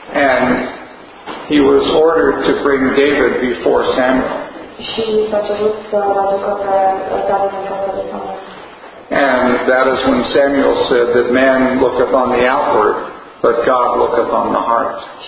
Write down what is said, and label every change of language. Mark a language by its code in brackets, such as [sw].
[en] And he was ordered to bring David before Samuel. [ro] Și s-a cerut să aducă pe David în fața lui Samuel. [en] And that is when Samuel said that man looketh on the outward, but God looketh on the heart.